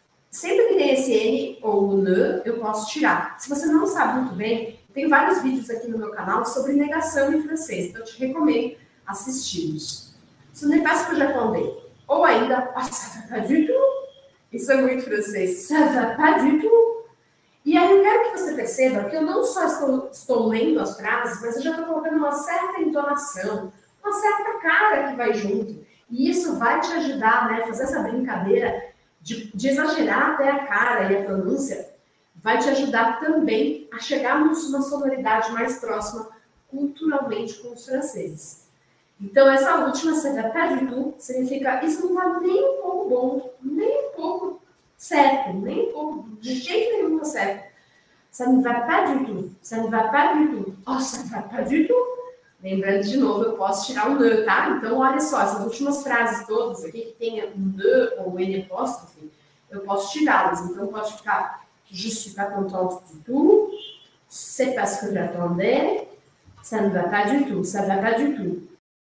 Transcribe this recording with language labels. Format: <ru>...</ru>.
<pt>Sempre que tem esse n ou o ne, eu posso tirar. Se você não sabe muito bem, tem vários vídeos aqui no meu canal sobre negação em francês. Então, eu te recomendo assisti-los.</pt> <fr>Ce n'est pas ce que j'attendais.</fr> <pt>Ou ainda,</pt> <fr>ça va pas du tout.</fr> <pt>Isso é muito francês.</pt> <fr>Ça va pas du tout.</fr> <pt>E aí eu quero que você perceba que eu não só estou lendo as frases, mas eu já estou colocando uma certa entonação, uma certa cara que vai junto. E isso vai te ajudar, né, fazer essa brincadeira de exagerar até a cara e a pronúncia, vai te ajudar também a chegar numa sonoridade mais próxima culturalmente com os franceses. Então, essa última,</pt> <fr>ça va pas du tout,</fr> <pt>significa isso não está nem um pouco bom, nem um pouco certo, nem um pouco, de jeito nenhum está certo.</pt> <fr>Ça ne va pas du tout, ça ne va pas du tout. Oh, ça ne va pas du tout.</fr> <pt>Lembrando, de novo, eu posso tirar o ne, tá? Então, olha só, essas últimas frases todas aqui, que tem ne ou n apóstrofe, eu posso tirá-las. Então, pode ficar,</pt> <fr>je suis pas contente du tout, C'est pas ce que j'attendais. Ça ne va pas du tout, ça ne va pas du tout.</fr>